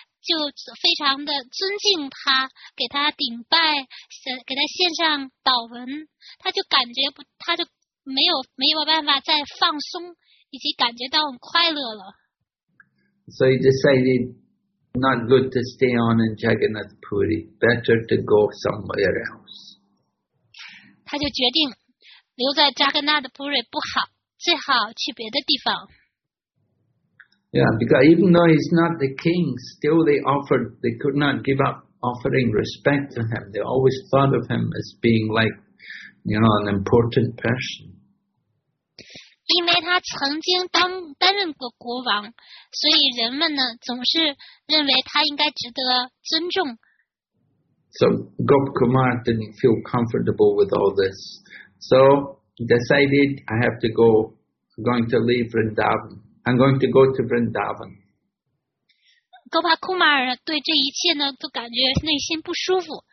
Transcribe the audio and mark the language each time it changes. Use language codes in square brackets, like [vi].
[zh] 就非常的尊敬他，给他顶拜，给他献上祷文，他就没有办法再放松，以及感觉到很快乐了。 [en] So he decided not good to stay on in Jagannath Puri, better to go somewhere else. [zh] 他就决定留在扎格纳的普瑞不好，最好去别的地方。 [en] Yeah, because even though he's not the king, still they could not give up offering respect to him. They always thought of him as being like, you know, an important person. [zh] 因为他曾经担任过国王，所以人们呢总是认为他应该值得尊重。 [en] So Gop Kumar didn't feel comfortable with all this. So he decided, I have to go. I'm going to leave Vrindavan. I'm going to go to Vrindavan. [zh] Gopal Kumar 对这一切呢都感觉内心不舒服。